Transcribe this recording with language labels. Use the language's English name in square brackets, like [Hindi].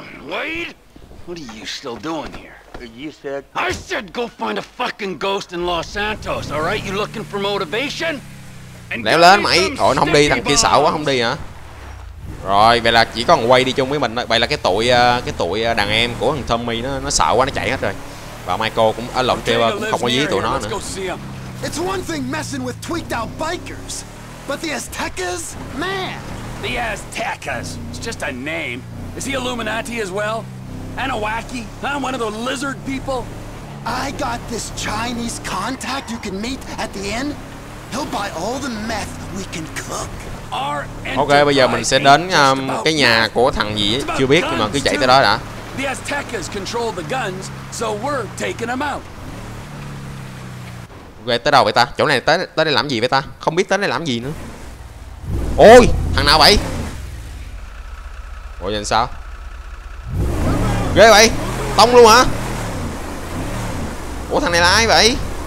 [English] Wait. What are you still doing here? I said go find a fucking ghost in Los Santos, all right? You looking for motivation? [Vietnamese] Léo lên mày. Thôi nó không đi, thằng kia sợ quá không đi hả? Rồi, vậy là chỉ có thằng Wade đi chung với mình thôi. Vậy là cái tụi đàn em của thằng Tommy nó sợ quá, nó chạy hết rồi. Và Michael cũng ở lộn Trevor cũng không có dí tụi nó nữa. [English] It's one thing messing with tweaked out bikers, but the Aztecas, man. The Aztecas, it's just a name. Is he Illuminati as well? And a wacky? I'm one of the lizard people. I got this Chinese contact you can meet at the inn. He'll buy all the meth we can cook. [Vietnamese] Ok, bây giờ mình sẽ đến cái nhà của thằng gì ấy, chưa biết, nhưng mà cứ chạy tới đó đã. [English] The Aztecas control the guns, so we're taking them out. [Vietnamese] Về tới đâu vậy ta? Chỗ này tới đây làm gì vậy ta? Không biết tới đây làm gì nữa. Ôi, thằng nào vậy? Ủa vậy sao? Ghê vậy? Tông luôn hả? Ủa thằng này là ai vậy?